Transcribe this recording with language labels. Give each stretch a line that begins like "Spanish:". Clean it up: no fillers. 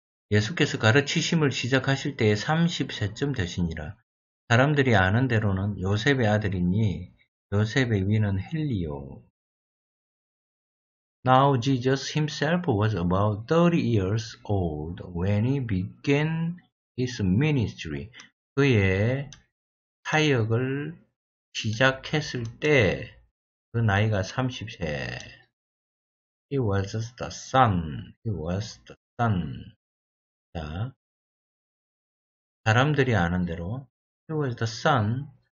Korean: 예수께서 가르치심을 시작하실 때에 30세쯤 되시니라. 사람들이 아는 대로는 요셉의 아들이니 요셉의 위는 헬리오.
English: Now Jesus himself was about 30 years old when he began his ministry.
Korean: 그의 사역을 시작했을 때 그 나이가 30세.
English: He was the son. He was the son.
Korean: 자, 사람들이 아는 대로
English: He was the son.